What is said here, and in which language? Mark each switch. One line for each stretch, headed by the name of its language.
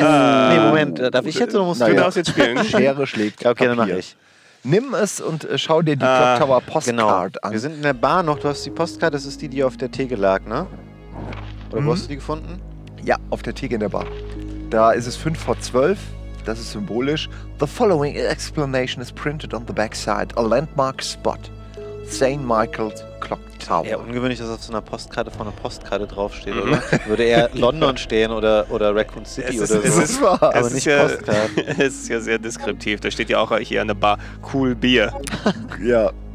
German: Nee, Moment, darf ich jetzt oder musst du das jetzt spielen? Schere schlägt. Okay, Dann mach ich. Nimm es und schau dir die Clock Tower Postcard an. Wir sind in der Bar noch, du hast die Postcard, das ist die, die auf der Theke lag, ne? Oder wo hast du die gefunden? Ja, auf der Theke in der Bar. Da ist es 5 vor 12. Das ist symbolisch.
English: The following explanation is printed on the backside. A landmark spot. St. Michael's Clock Tower.
German: Ja, ungewöhnlich, dass auf so einer Postkarte vor einer Postkarte draufsteht, oder? Würde eher London stehen oder Raccoon City oder so. Es ist wahr. Aber nicht Postkarte. Es ist ja sehr deskriptiv. Da steht ja auch hier an der Bar Cool Beer. Ja.